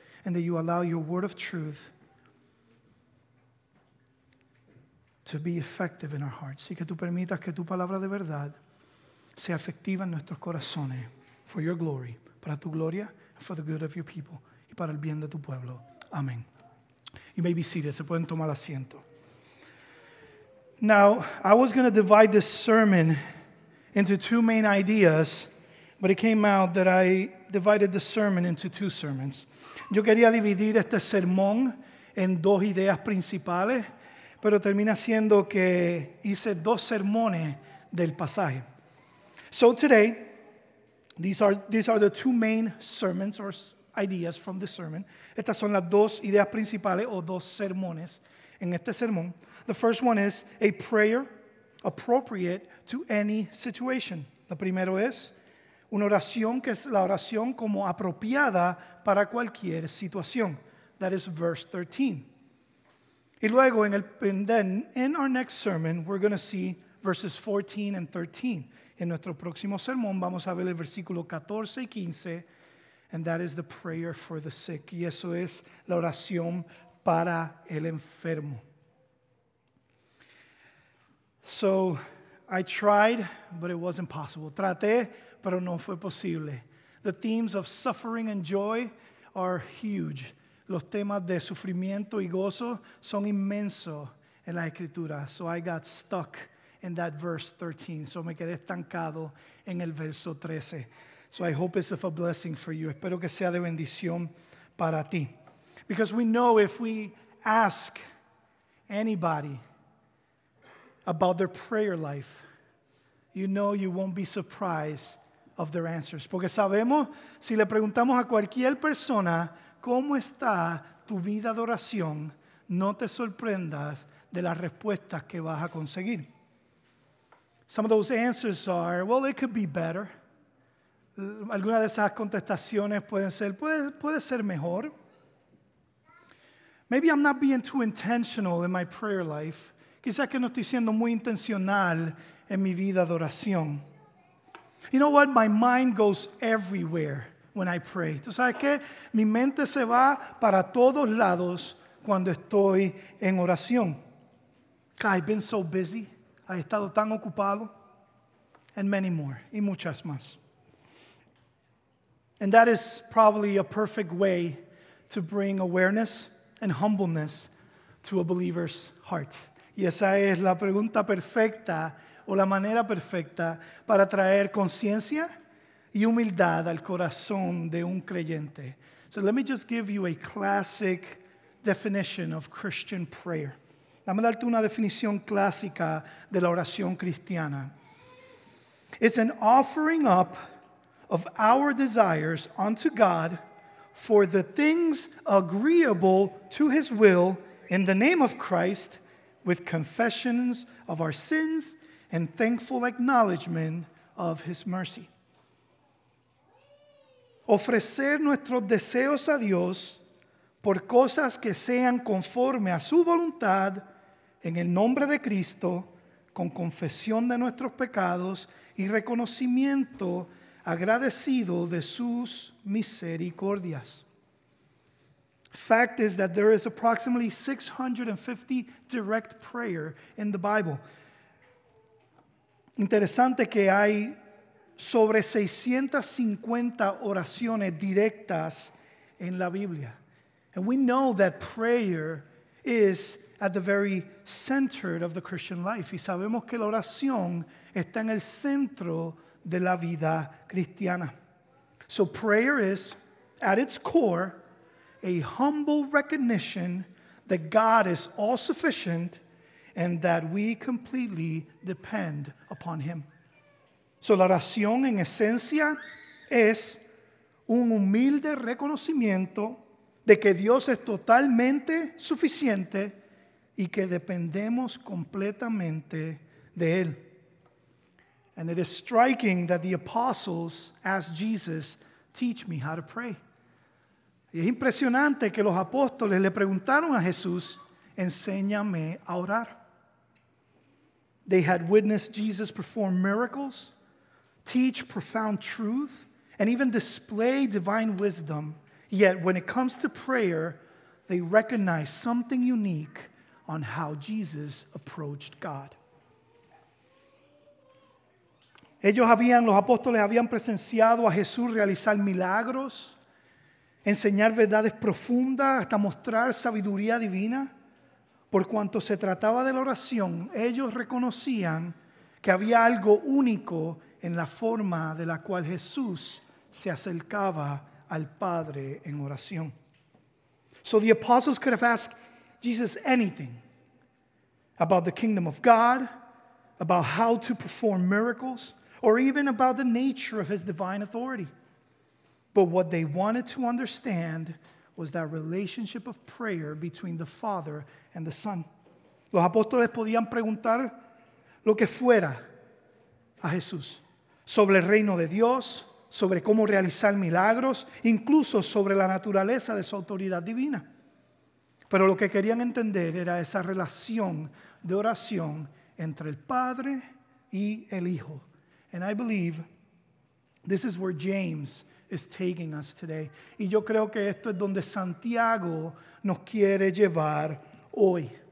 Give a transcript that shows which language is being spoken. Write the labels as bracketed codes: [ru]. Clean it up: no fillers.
[en] And that you allow your word of truth to be effective in our hearts. [es] Y que tú permitas que tu palabra de verdad sea efectiva en nuestros corazones. [en] For your glory, [es] para tu gloria, [en] for the good of your people, [es] y para el bien de tu pueblo. Amén. [en] You may be seated. [es] Se pueden tomar asiento. [en] Now, I was going to divide this sermon into two main ideas, but it came out that I divided the sermon into two sermons. [es] Yo quería dividir este sermón en dos ideas principales, pero termina siendo que hice dos sermones del pasaje. [en] So today, these are the two main sermons or ideas from the sermon. [es] Estas son las dos ideas principales o dos sermones en este sermón. [en] The first one is a prayer appropriate to any situation. [es] Lo primero es una oración que es la oración como apropiada para cualquier situación. [en] That is verse 13. [es] Y luego [en] in our next sermon, we're going to see verses 14 and 13. [es] En nuestro próximo sermón vamos a ver el versículo 14 y 15. [en] And that is the prayer for the sick. [es] Y eso es la oración para el enfermo. [en] So I tried, but it wasn't possible. [es] Traté, pero no fue posible. [en] The themes of suffering and joy are huge. [es] Los temas de sufrimiento y gozo son inmensos en la Escritura. [en] So I got stuck in that verse 13. [es] So me quedé estancado en el verso 13. [en] So I hope it's of a blessing for you. [es] Espero que sea de bendición para ti. [en] Because we know if we ask anybody about their prayer life, you know you won't be surprised of their answers. [es] Porque sabemos, si le preguntamos a cualquier persona, ¿cómo está tu vida de oración? No te sorprendas de las respuestas que vas a conseguir. [en] Some of those answers are, well, it could be better. [es] Algunas de esas contestaciones pueden ser, puede ser mejor. [en] Maybe I'm not being too intentional in my prayer life. [es] Quizás que no estoy siendo muy intencional en mi vida de oración. [en] You know what? My mind goes everywhere when I pray. [es] ¿Tú sabes qué? Mi mente se va para todos lados cuando estoy en oración. [en] I've been so busy. [es] He estado tan ocupado. [en] And many more. [es] Y muchas más. [en] And that is probably a perfect way to bring awareness and humbleness to a believer's heart. [es] Y esa es la pregunta perfecta o la manera perfecta para traer conciencia y humildad al corazón de un creyente. [en] So let me just give you a classic definition of Christian prayer. [es] Dame darte una definición clásica de la oración cristiana. [en] It's an offering up of our desires unto God for the things agreeable to his will in the name of Christ, with confessions of our sins and thankful acknowledgement of his mercy. [es] Ofrecer nuestros deseos a Dios por cosas que sean conforme a su voluntad en el nombre de Cristo, con confesión de nuestros pecados y reconocimiento agradecido de sus misericordias. [en] Fact is that there is approximately 650 direct prayer in the Bible. [es] Interesante que hay sobre 650 oraciones directas en la Biblia. [en] And we know that prayer is at the very center of the Christian life. [es] Y sabemos que la oración está en el centro de la vida cristiana. [en] So prayer is, at its core, a humble recognition that God is all-sufficient and that we completely depend upon him. [es] So la oración en esencia es un humilde reconocimiento de que Dios es totalmente suficiente y que dependemos completamente de él. [en] And it is striking that the apostles asked Jesus, "Teach me how to pray." [es] Y es impresionante que los apóstoles le preguntaron a Jesús, "Enséñame a orar." [en] They had witnessed Jesus perform miracles, teach profound truth, and even display divine wisdom. Yet when it comes to prayer, they recognize something unique on how Jesus approached God. [es] Los apóstoles habían presenciado a Jesús realizar milagros, enseñar verdades profundas, hasta mostrar sabiduría divina. Por cuanto se trataba de la oración, ellos reconocían que había algo único en la forma de la cual Jesús se acercaba al Padre en oración. [en] So the apostles could have asked Jesus anything about the kingdom of God, about how to perform miracles, or even about the nature of his divine authority. But what they wanted to understand was that relationship of prayer between the Father and the Son. [es] Los apóstoles podían preguntar lo que fuera a Jesús, sobre el reino de Dios, sobre cómo realizar milagros, incluso sobre la naturaleza de su autoridad divina. Pero lo que querían entender era esa relación de oración entre el Padre y el Hijo. [en] And I believe this is where James is taking us today. [es] Y yo creo que esto es donde Santiago nos quiere llevar hoy.